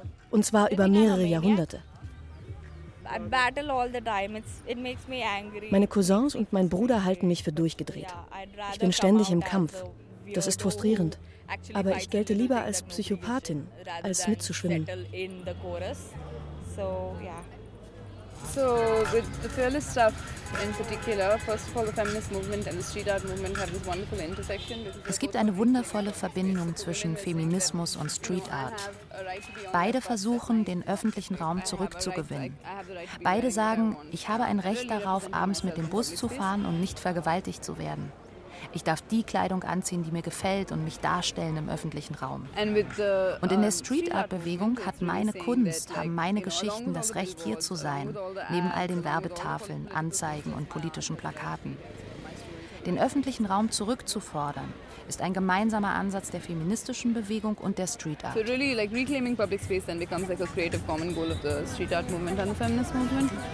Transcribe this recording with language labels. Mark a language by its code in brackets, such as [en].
[de] Und zwar über mehrere Jahrhunderte. [en] I battle all the time. It makes me angry. [de] Meine Cousins und mein Bruder halten mich für durchgedreht. Ich bin ständig im Kampf. Das ist frustrierend. Aber ich gelte lieber als Psychopathin, als mitzuschwimmen. [en] So, with the fearless stuff in particular, first of all, the feminist movement and the street art movement have this wonderful intersection. [de] Es gibt eine wundervolle Verbindung zwischen Feminismus und Street Art. Beide versuchen, den öffentlichen Raum zurückzugewinnen. Beide sagen, ich habe ein Recht darauf, abends mit dem Bus zu fahren und nicht vergewaltigt zu werden. Ich darf die Kleidung anziehen, die mir gefällt und mich darstellen im öffentlichen Raum. Und in der Street-Art-Bewegung hat meine Kunst, haben meine Geschichten das Recht, hier zu sein, neben all den Werbetafeln, Anzeigen und politischen Plakaten. Den öffentlichen Raum zurückzufordern, ist ein gemeinsamer Ansatz der feministischen Bewegung und der Street Art. [en] So really like reclaiming public space then becomes like a creative common goal of the street art movement and the feminist movement.